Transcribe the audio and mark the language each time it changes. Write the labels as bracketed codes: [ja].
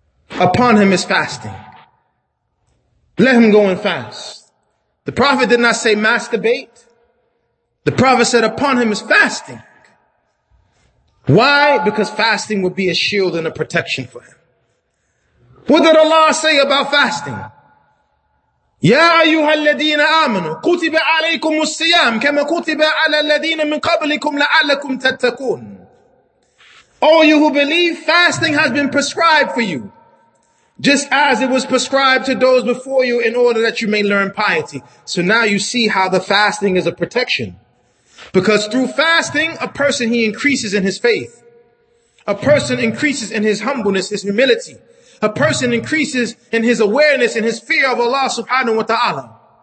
[en] Upon him is fasting. Let him go and fast. The Prophet did not say masturbate. The Prophet said upon him is fasting. Why? Because fasting would be a shield and a protection for him. What did Allah say about fasting? [ar] يَا أَيُّهَا الَّذِينَ آمَنُوا كُتِبَ عَلَيْكُمُ السِّيَامِ كَمَا كُتِبَ عَلَى الَّذِينَ مِنْ قَبْلِكُمْ لَعَلَّكُمْ تَتَّقُونَ [en] All you who believe, fasting has been prescribed for you. Just as it was prescribed to those before you in order that you may learn piety. So now you see how the fasting is a protection. Because through fasting, a person, he increases in his faith. A person increases in his humbleness, his humility. A person increases in his awareness, in his fear of Allah subhanahu wa ta'ala.